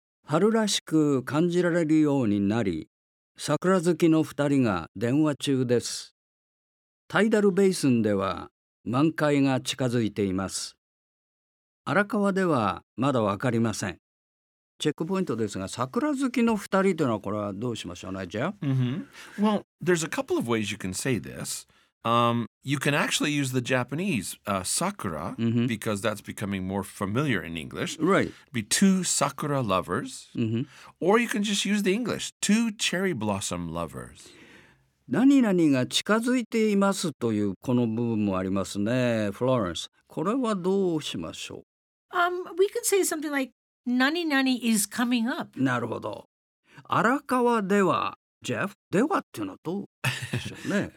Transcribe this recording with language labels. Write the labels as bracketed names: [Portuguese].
[Japanese] 春らしく感じられるようになり、桜好きの二人が電話中です。タイダルベイスンでは、満開が近づいています。荒川ではまだ分かりません。チェックポイントですが、桜好きの2人というのはこれはどうしましょうね、ジェフ。 [English] Well, there's a couple of ways you can say this. You can actually use the Japanese sakura, because that's becoming more familiar in English. Right. Be two sakura lovers. Or you can just use the English, two cherry blossom lovers. [Japanese] 何々が近づいていますというこの部分もありますね、フローレンス。これはどうしましょう？ [English] We can say something like [Japanese] 何々 [English] is coming up. [Japanese] なるほど。荒川では、ジェフ、ではっていうのはどうでしょうね。